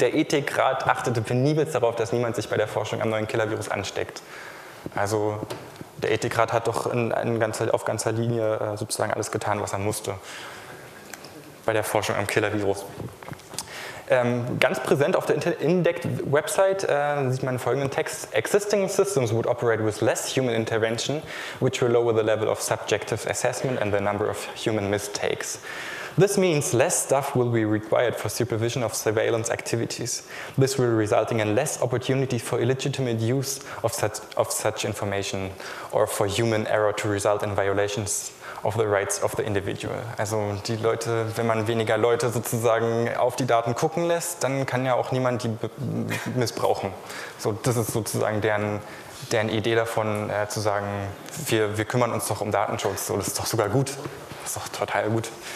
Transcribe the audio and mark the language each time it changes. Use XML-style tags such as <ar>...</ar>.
<de>Der Ethikrat achtete penibelst darauf, dass niemand sich bei der Forschung am neuen Killer-Virus ansteckt. Also der Ethikrat hat doch auf ganzer Linie sozusagen alles getan, was er musste bei der Forschung am Killer-Virus. Ganz präsent auf der Indect-Website sieht man folgenden Text.</de> <en>Existing systems would operate with less human intervention, which will lower the level of subjective assessment and the number of human mistakes. This means less staff will be required for supervision of surveillance activities. This will result in less opportunities for illegitimate use of such information or for human error to result in violations of the rights of the individual.</en> <de>Also die Leute, wenn man weniger Leute sozusagen auf die Daten gucken lässt, dann kann ja auch niemand die missbrauchen. So, das ist sozusagen deren Idee davon, zu sagen, wir kümmern uns doch um Datenschutz. So, das ist doch sogar gut. Das ist doch total gut.</de>